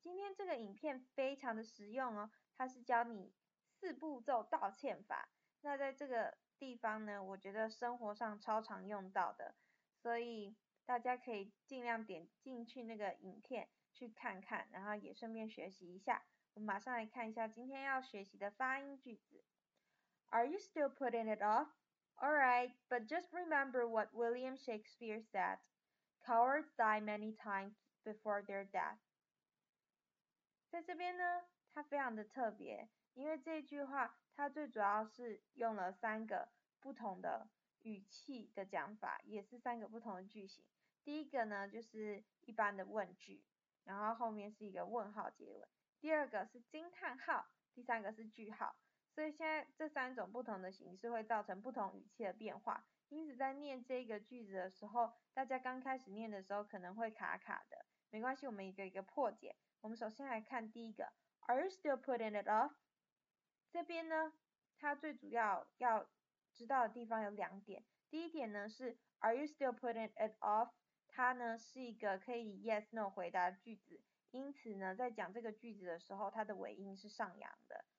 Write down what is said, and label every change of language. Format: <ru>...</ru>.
<zh>天这个影片非常的实用哦，它是教你四步骤道歉法。那在这个地方呢，我觉得生活上超常用到的，所以大家可以尽量点进去那个影片去看看，然后也顺便学习一下。我马上来看一下今天要学习的发音句子。</zh> <en>Are you still putting it off? Alright, but just remember what William Shakespeare said. Cowards die many times before their death.</en> <zh>在这边呢，它非常的特别，因为这句话它最主要是用了三个不同的语气的讲法，也是三个不同的句型。第一个呢，就是一般的问句，然后后面是一个问号结尾。第二个是惊叹号，第三个是句号，所以现在这三种不同的形式会造成不同语气的变化，因此在念这个句子的时候，大家刚开始念的时候可能会卡卡的，没关系，我们一个一个破解。我们首先来看第一个</zh> <en>Are you still putting it off?</en> <zh>这边呢，它最主要知道的地方有两点，第一点呢是</zh> <en>Are you still putting it off?</en> <zh>它呢是一个可以 yes no 回答的句子，因此呢，在讲这个句子的时候，它的尾音是上扬的。</zh>